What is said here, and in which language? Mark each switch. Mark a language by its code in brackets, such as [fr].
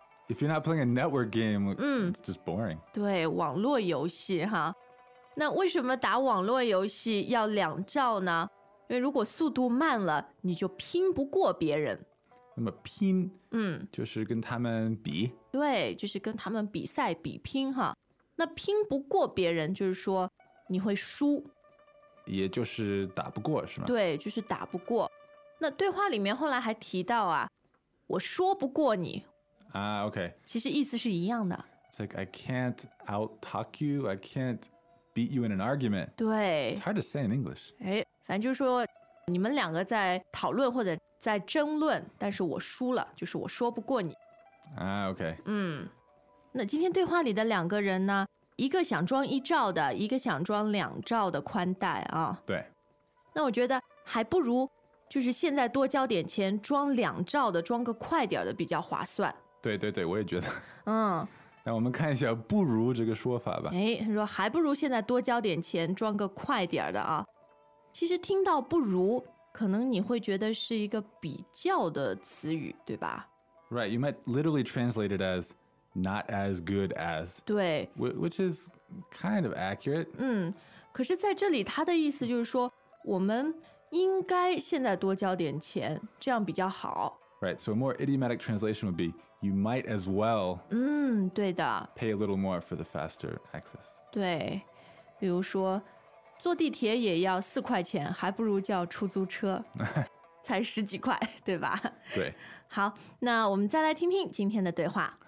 [en] If you're not playing a network game, it's just boring. [zh] 对，网络游戏哈。那为什么打网络游戏要两兆呢？因为如果速度慢了，你就拼不过别人。那么拼，就是跟他们比。对，就是跟他们比赛比拼哈。那拼不过别人，就是说你会输。也就是打不过是吗？对，就是打不过。那对话里面后来还提到啊，我说不过你。 [en] OK. [zh] 其实意思是一样的。 [en] It's like I can't out-talk you, I can't beat you in an argument. [zh] 对。 [en] It's hard to say in English. [zh] 哎，反正就是说你们两个在讨论或者在争论，但是我输了，就是我说不过你。 [en] OK. [zh] 那今天对话里的两个人呢，一个想装一兆的，一个想装两兆的宽带啊。对。那我觉得还不如就是现在多交点钱装两兆的，装个快点的比较划算。对对对，我也觉得。嗯。那我们看一下不如这个说法吧。哎，他说还不如现在多交点钱装个快点的啊。其实听到不如，可能你会觉得是一个比较的词语，对吧？ [en] Right, you might literally translate it as not as good as. [zh] 对。 [en] Which is kind of accurate. [zh] 嗯，可是在这里他的意思就是说，我们应该现在多交点钱，这样比较好。 [en] Right, so a more idiomatic translation would be, you might as well. [zh] 嗯，对的。 [en] Pay a little more for the faster access. [zh] 对，比如说坐地铁也要四块钱，还不如叫出租车，才十几块，对吧？对。好，那我们再来听听今天的对话。